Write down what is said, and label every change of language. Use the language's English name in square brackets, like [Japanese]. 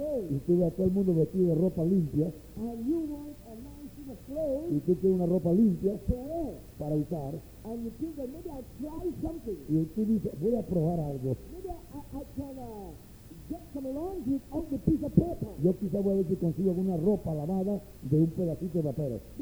[Spanish] Y tú ves a todo el mundo vestido de ropa limpia. [English] And you want a nice suit of clothes. [Spanish] Y tú quieres una ropa limpia [English] for [Spanish] para usar. [English] And you think that maybe I'll try something. [Spanish] Y tú dices, voy a probar algo. [English] Maybe I can get some laundry on the piece of paper. [Spanish] Yo quizá voy a ver si consigo alguna ropa lavada de un pedacito de papel.